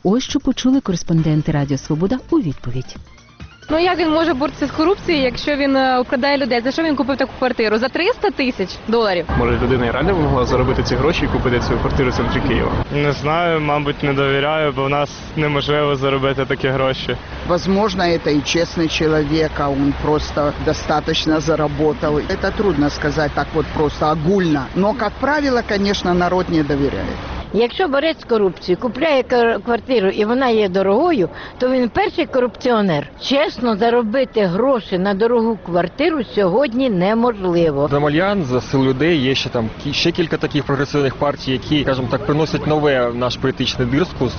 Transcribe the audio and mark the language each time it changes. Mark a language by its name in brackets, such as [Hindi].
[Ukrainian] Ось що почули кореспонденти Радіо Свобода у відповідь. Ну, як він може боротися з корупцією, якщо він обкрадає людей? За що він купив таку квартиру? За 300 тисяч доларів? Може, людина і реально могла заробити ці гроші і купити цю квартиру в центрі Києва? Не знаю, мабуть, не довіряю, бо в нас неможливо заробити такі гроші. [Russian] Возможно, это и честный человек, а он просто достаточно заработал. Это трудно сказать так вот просто огульно. Но, как правило, конечно, народ не доверяет. [Ukrainian] Якщо борець з корупцією купляє квартиру і вона є дорогою, то він перший корупціонер. Чесно заробити гроші на дорогу квартиру сьогодні неможливо. Демальян, за сил людей є ще там ще кілька таких прогресивних партій, які, скажімо так, приносять нове в наш політичний дискурс.